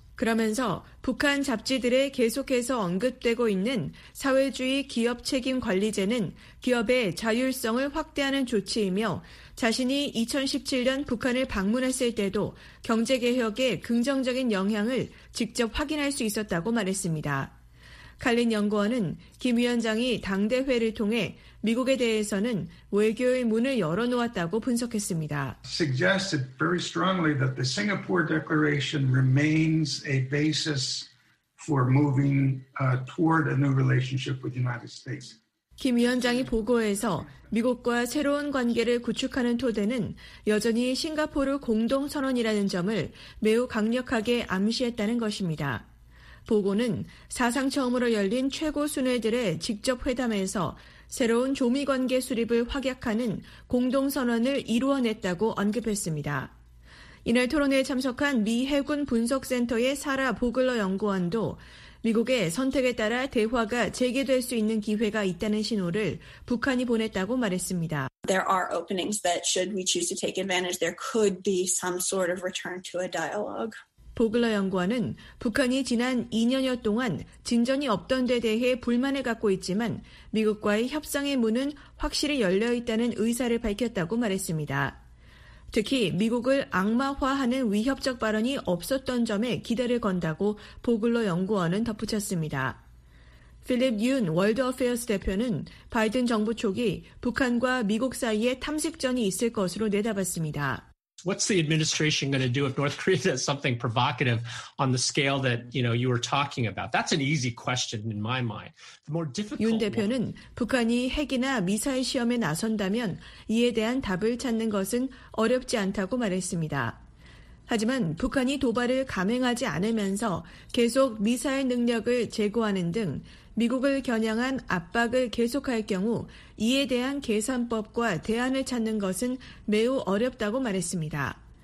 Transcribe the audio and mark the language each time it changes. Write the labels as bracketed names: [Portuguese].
[Korean] 그러면서 북한 잡지들에 계속해서 언급되고 있는 사회주의 기업 책임 관리제는 기업의 자율성을 확대하는 조치이며 자신이 2017년 북한을 방문했을 때도 경제개혁에 긍정적인 영향을 직접 확인할 수 있었다고 말했습니다. 칼린 연구원은 김 위원장이 당대회를 통해 미국에 대해서는 외교의 문을 열어놓았다고 분석했습니다. [English] Suggested very strongly that the Singapore Declaration remains a basis for moving toward a new relationship with the United States. [Korean] 김 위원장이 보고에서 미국과 새로운 관계를 구축하는 토대는 여전히 싱가포르 공동선언이라는 점을 매우 강력하게 암시했다는 것입니다. 보고는 사상 처음으로 열린 최고 순회들의 직접 회담에서 새로운 조미관계 수립을 확약하는 공동선언을 이루어냈다고 언급했습니다. 이날 토론회에 참석한 미 해군 분석센터의 사라 보글러 연구원도 미국의 선택에 따라 대화가 재개될 수 있는 기회가 있다는 신호를 북한이 보냈다고 말했습니다. [English] There are openings that should we choose to take advantage, there could be some sort of return to a dialogue. [Korean] 보글러 연구원은 북한이 지난 2년여 동안 진전이 없던 데 대해 불만을 갖고 있지만 미국과의 협상의 문은 확실히 열려 있다는 의사를 밝혔다고 말했습니다. 특히 미국을 악마화하는 위협적 발언이 없었던 점에 기대를 건다고 보글러 연구원은 덧붙였습니다. 필립 윤 월드어페어스 대표는 바이든 정부 초기 북한과 미국 사이에 탐색전이 있을 것으로 내다봤습니다. [English] What's the administration going to do if North Korea does something provocative on the scale that you know you were talking about? That's an easy question in my mind. The more difficult. [Korean] 윤 대표는 북한이 핵이나 미사일 시험에 나선다면 이에 대한 답을 찾는 것은 어렵지 않다고 말했습니다. 하지만 북한이 도발을 감행하지 않으면서 계속 미사일 능력을 제고하는 등 미국을 겨냥한 압박을 계속할 경우 이에 대한 계산법과 대안을 찾는 것은 매우 어렵다고 말했습니다.